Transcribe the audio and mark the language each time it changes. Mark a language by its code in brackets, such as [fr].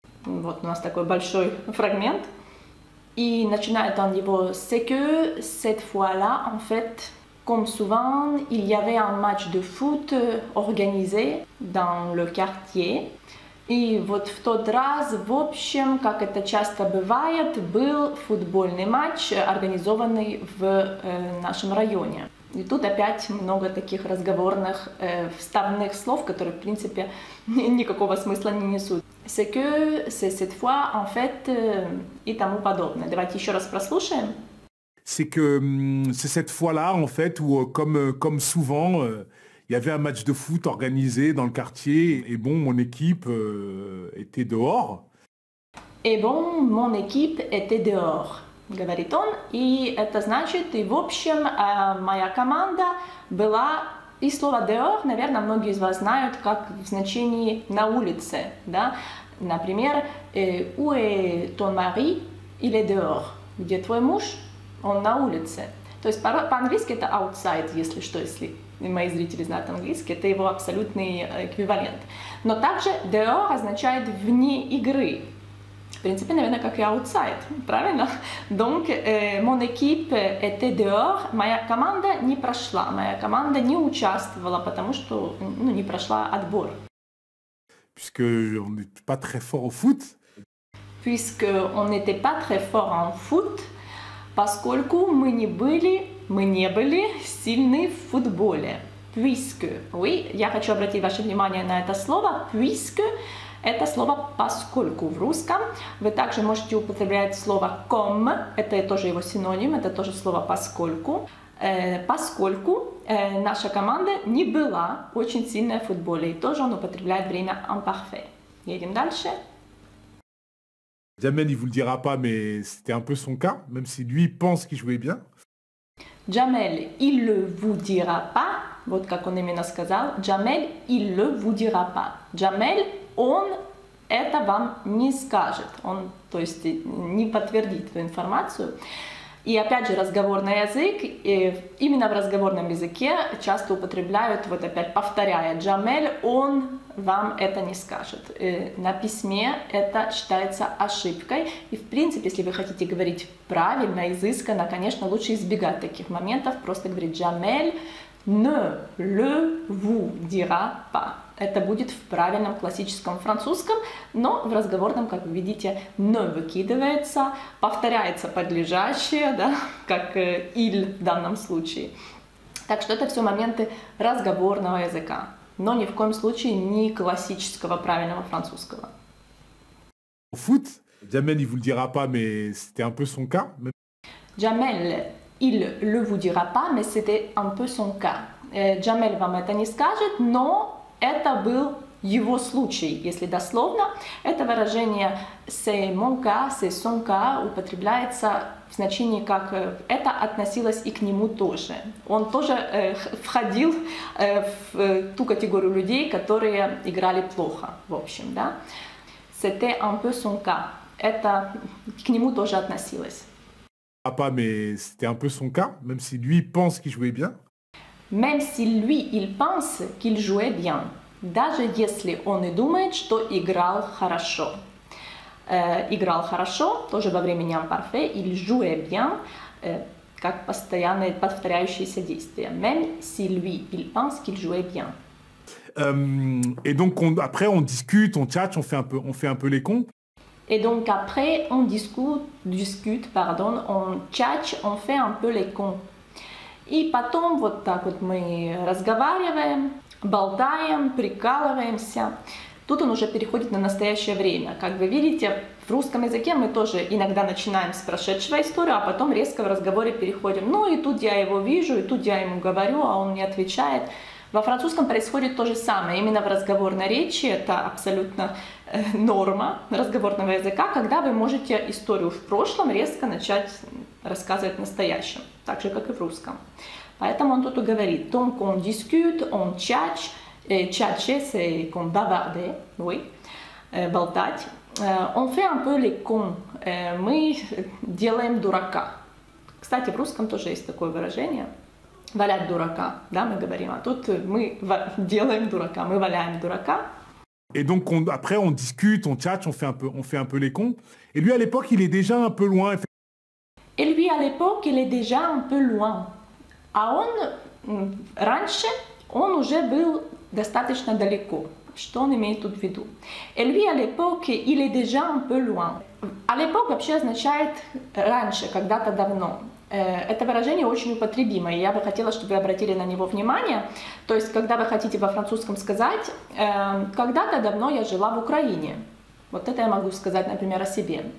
[ru] Вот у нас такой большой фрагмент. И начинает он его, [fr] c'est que cette fois-là, en fait, comme souvent, il y avait un match de foot organisé dans le quartier. [ru] И вот в тот раз, в общем, как это часто бывает, был футбольный матч, организованный в нашем районе. И тут опять много таких разговорных вставных слов, которые, в принципе, никакого смысла не несут. [fr] C'est que c'est cette fois, en fait, [ru] и тому подобное. Давайте еще раз прослушаем. [fr] C'est que c'est cette fois-là, en fait, où comme souvent, il y avait un match de foot organisé dans le quartier. Et bon, mon équipe était dehors. Et bon, mon équipe était dehors, [ru] говорит он. И это значит, и в общем, моя команда была... И слово «dehors», наверное, многие из вас знают, как в значении «на улице», да? Например, [fr] «où est ton mari?» Il est dehors. [ru] «Где твой муж?» Он на улице. То есть по-английски это «outside», если что, если мои зрители знают английский, это его абсолютный эквивалент. Но также «dehors» означает «вне игры». В принципе, наверное, как и outside, правильно? [fr] Donc, mon équipe était dehors. [ru] Моя команда не прошла, моя команда не участвовала, потому что, ну, не прошла отбор. [fr] Puisque on n'est pas très fort au foot. Puisque on n'était pas très fort en foot, [ru] поскольку мы не были сильны в футболе. [fr] Puisque, oui, [ru] я хочу обратить ваше внимание на это слово, puisque. Это слово «поскольку» в русском. Вы также можете употреблять слово «comme». Это тоже его синоним, это тоже слово «поскольку». Поскольку наша команда не была очень сильная в футболе. И тоже он употребляет время «imparfait». Едем дальше. [fr] Jamel, il vous le dira pas, mais c'était un peu son cas, même si lui pense qu'il jouait bien. Jamel, il le vous dira pas. [ru] Вот как он именно сказал. [fr] Jamel, il le vous dira pas. Jamel... [ru] Он это вам не скажет, он, то есть, не подтвердит эту информацию. И опять же, разговорный язык, и именно в разговорном языке часто употребляют, вот опять повторяя, Джамель, он вам это не скажет. И на письме это считается ошибкой. И в принципе, если вы хотите говорить правильно, изысканно, конечно, лучше избегать таких моментов, просто говорить Джамель, [fr] ne le vous dira pas. [ru] Это будет в правильном классическом французском, но в разговорном, как вы видите, «не» выкидывается, повторяется подлежащее, да, как «иль» в данном случае. Так что это все моменты разговорного языка, но ни в коем случае не классического правильного французского. [fr] Au foot, Jamel, il vous le dira pas, mais c'était un peu son cas. Jamel, il le vous dira pas, mais c'était un peu son cas. [ru] Jamel вам это не скажет, но... Это был его случай, если дословно. Это выражение [fr] «c'est mon cas», «c'est son cas» [ru] употребляется в значении как «это относилось и к нему тоже». Он тоже входил в ту категорию людей, которые играли плохо, в общем, да. [fr] «C'était un peu son cas». [ru] Это к нему тоже относилось. [fr] А pas, mais c'était un peu son cas, même si lui pense qu'il jouait bien. Même si lui, il pense qu'il jouait bien. [ru] Даже если он и думает, что играл хорошо. Играл хорошо, тоже во времени imparfait, [fr] il jouait bien, [ru] как постоянное повторяющееся действие. [fr] Même si lui, il pense qu'il jouait bien. Et donc, après, on discute, on tchatche, on fait un peu les cons. Et donc, après, on discute, on tchatche, on fait un peu les cons. [ru] И потом вот так вот мы разговариваем, болтаем, прикалываемся. Тут он уже переходит на настоящее время. Как вы видите, в русском языке мы тоже иногда начинаем с прошедшего истории, а потом резко в разговоре переходим. Ну и тут я его вижу, и тут я ему говорю, а он не отвечает. Во французском происходит то же самое. Именно в разговорной речи это абсолютно норма разговорного языка, когда вы можете историю в прошлом резко начать... рассказывает в настоящем, так же, как и в русском. Поэтому он тут и говорит, [fr] donc on discute, on chatche, chatche, c'est comme bavarder, oui, [ru] болтать, [fr] On fait un peu les cons. [ru] Мы делаем дурака. Кстати, в русском тоже есть такое выражение. Валять дурака, да, мы говорим. А тут мы делаем дурака, мы валяем дурака. [fr] Et donc on, après on discute, on tchatche, on fait un peu les cons. Et lui à l'époque il est déjà un peu loin. Et lui à l'époque il est déjà un peu loin. [ru] А он раньше он уже был достаточно далеко. Что он имеет в виду? [fr] Et lui à l'époque il est déjà un peu loin. À l'époque [ru] вообще означает раньше, когда-то давно. Это выражение очень употребимое, я бы хотела, чтобы вы обратили на него внимание. То есть, когда вы хотите во французском сказать, когда-то давно я жила в Украине. Вот это я могу сказать, например, о себе.